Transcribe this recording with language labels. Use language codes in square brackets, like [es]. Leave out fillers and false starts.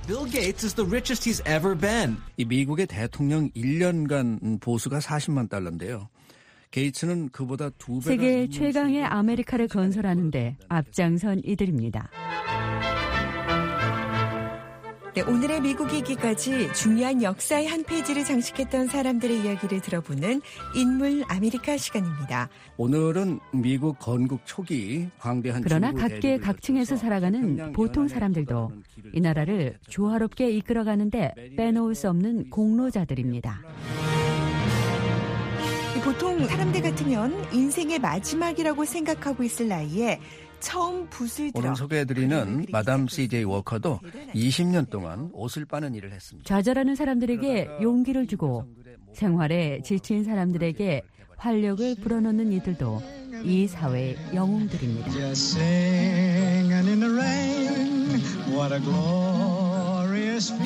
[en] Bill Gates is the richest he's ever been. [ko] 이 미국의 대통령 1년간 보수가 40만 달러인데요. 게이츠는 그보다 두 배나 세계 최강의 아메리카를 건설하는 데 앞장선 이들입니다. 오늘의 미국이기까지 중요한 역사의 한 페이지를 장식했던 사람들의 이야기를 들어보는 인물 아메리카 시간입니다. 오늘은 미국 건국 초기 광대한 그러나 각계 각층에서 살아가는 보통 사람들도 이 나라를 조화롭게 이끌어가는데 빼놓을 수 없는 공로자들입니다. 보통 사람들 같으면 인생의 마지막이라고 생각하고 있을 나이에 처음 붓을 들어 오늘 소개해드리는 마담 CJ 워커도 20년 동안 옷을 빠는 일을 했습니다. 좌절하는 사람들에게 용기를 주고 생활에 지친 사람들에게 활력을 불어넣는 이들도 이 사회의 영웅들입니다. [en] Just singing in the rain, what a glorious day.